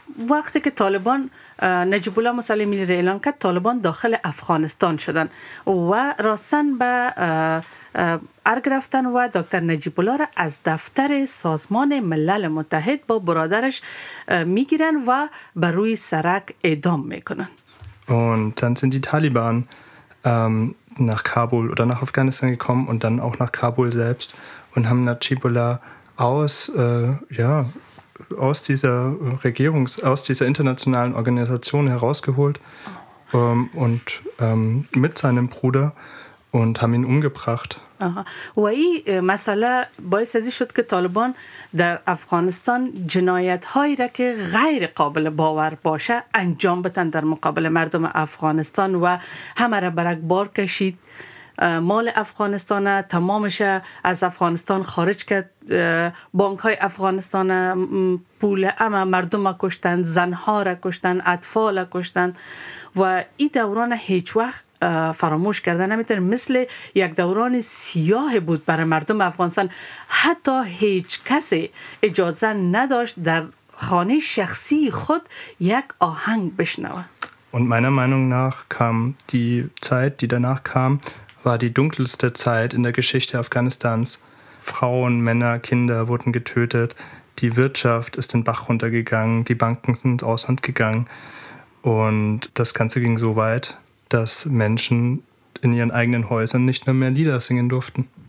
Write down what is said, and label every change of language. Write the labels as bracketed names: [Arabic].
[Persian] وقتی که طالبان نجیب الله مصالحه ملی را اعلان کرد، طالبان داخل افغانستان شدن و راستن به ارگ رفتن و دکتر نجیب الله را از دفتر سازمان ملل متحد با برادرش میگیرن و بر روی سرک اعدام میکنن. [German] Und dann sind die Taliban nach Kabul oder nach Afghanistan gekommen und dann auch nach Kabul selbst. Und haben Najib Allah aus dieser internationalen Organisation herausgeholt und mit seinem Bruder und haben ihn umgebracht. [Persian] و این مسئله باعث از این شد که طالبان در افغانستان جنایت هایی را که غیر قابل باور باشه انجام بدن در مقابل مردم افغانستان و همه را برک بار کشید مال افغانستان تمامش از افغانستان خارج کرد، بانک های افغانستان پول اما مردم را کشتن، زن ها را کشتن، اطفال را کشتن و این دوران هیچ وقت فراموش کرده نمیتونه. مثل یک دوران سیاه بود برای مردم افغانستان، حتی هیچ کسی اجازه نداشت در خانه شخصی خود یک آهنگ بشنوه. [German] Und meiner Meinung nach kam die Zeit, die danach kam, war die dunkelste Zeit in der Geschichte Afghanistans. Frauen, Männer, Kinder wurden getötet, die Wirtschaft ist den Bach runtergegangen, die Banken sind ins Ausland gegangen und das Ganze ging so weit, dass Menschen in ihren eigenen Häusern nicht mehr Lieder singen durften.